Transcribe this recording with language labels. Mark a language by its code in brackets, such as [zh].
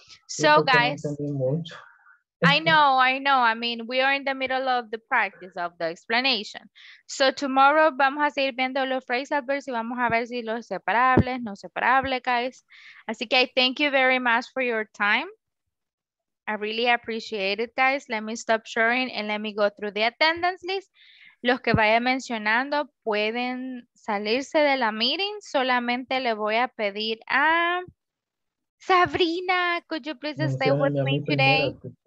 [en] So, guys, I know, I mean, we are in the middle of the practice of the explanation. So, tomorrow [es] vamos a seguir viendo los phrasal verbs y vamos a ver si los separables, no separables, guys. Así que [en] I thank you very much for your time. I really appreciate it, guys. Let me stop sharing and let me go through the attendance list. [es] Los que vaya mencionando pueden salirse de la meeting. Solamente le voy a pedir a [en] Sabrina, could you please stay with me today?